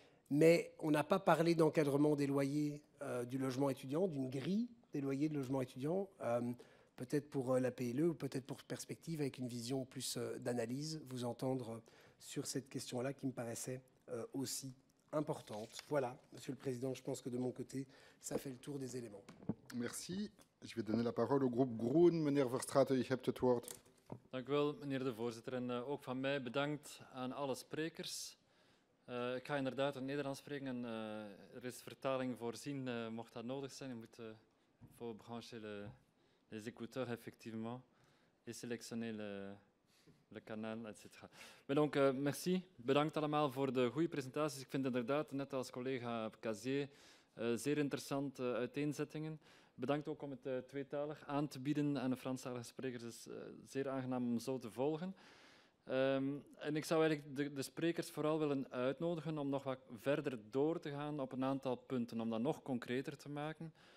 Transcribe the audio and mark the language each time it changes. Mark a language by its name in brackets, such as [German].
[French] Mais on n'a pas parlé d'encadrement des loyers du logement étudiant, d'une grille des loyers de logement étudiant, peut-être pour la PLE ou peut-être pour Perspective, avec une vision plus d'analyse, vous entendre sur cette question-là qui me paraissait aussi importante. Voilà, Monsieur le Président, je pense que de mon côté, ça fait le tour des éléments. Merci. Je vais donner la parole au groupe Groen. Monsieur [Dutch] Verstraeten, je hebt het woord. Dank u wel, meneer de voorzitter. En ook van mij bedankt aan alle sprekers. Ik ga inderdaad in Nederlands spreken. En, er is vertaling voorzien, mocht dat nodig zijn. Je moet voor [French] brancher les écouteurs, effectivement. Et sélectionner le kanaal, etc. [Dutch] Maar [French] donc, merci. [Dutch] Bedankt allemaal voor de goede presentaties. Ik vind inderdaad, net als collega Cazier, zeer interessante uiteenzettingen. Bedankt ook om het tweetalig aan te bieden aan de Franstalige sprekers. Het is zeer aangenaam om zo te volgen. En ik zou eigenlijk de sprekers vooral willen uitnodigen om nog wat verder door te gaan op een aantal punten, om dat nog concreter te maken.